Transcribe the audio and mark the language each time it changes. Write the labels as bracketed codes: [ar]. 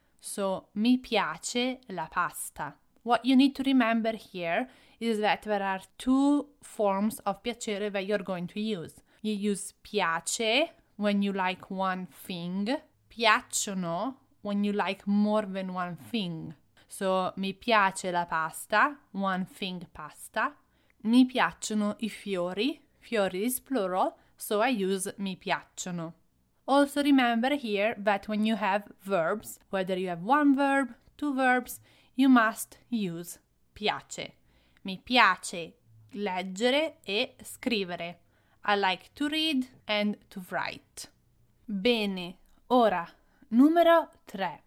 [it] So, mi piace la pasta. [en] What you need to remember here is that there are two forms of piacere that you're going to use. You use piace when you like one thing. Piacciono when you like more than one thing. [it] So, mi piace la pasta, [en] one thing pasta. [it] Mi piacciono I fiori, fiori [en] is plural, so I use [it] mi piacciono. [en] Also remember here that when you have verbs, whether you have one verb, two verbs, you must use piace. [it] Mi piace leggere e scrivere. [en] I like to read and to write. [it] Bene, ora, numero 3.